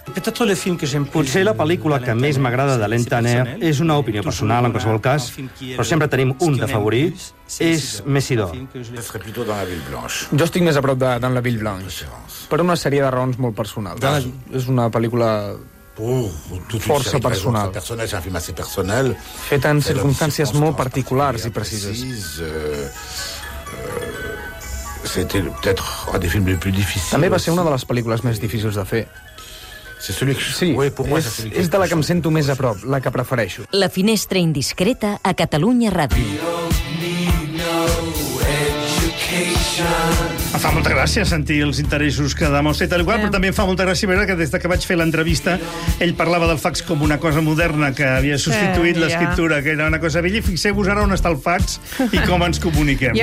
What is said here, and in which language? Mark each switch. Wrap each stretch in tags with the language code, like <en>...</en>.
<ca>Potser la pel·lícula que més m'agrada de Alain Tanner és una opinió personal, en qualsevol cas, però sempre tenim un de favorit, és Messi d'Or. Jo estic més a prop d'en La Ville Blanche, però una sèrie de raons molt personals. És una pel·lícula... força personal. Fet en circumstàncies molt particulars i precises.</ca> <fr>C'était peut-être un des films les plus difficiles.</fr> <ca>També va ser una de les pel·lícules més difícils de fer.</ca> <fr>C'est celui que...</fr> <ca>Sí,</ca> <fr>oui, pour moi,</fr> <ca>és de la que em sento més a prop, la que prefereixo. La finestra indiscreta a Catalunya Ràdio. Em fa molta gràcia sentir els interessos que demostra i tal i qual, però també em fa molta gràcia veure que des que vaig fer l'entrevista ell parlava del fax com una cosa moderna que havia substituït l'escriptura, que era una cosa vella, i fixeu-vos ara on està el fax i com ens comuniquem.</ca>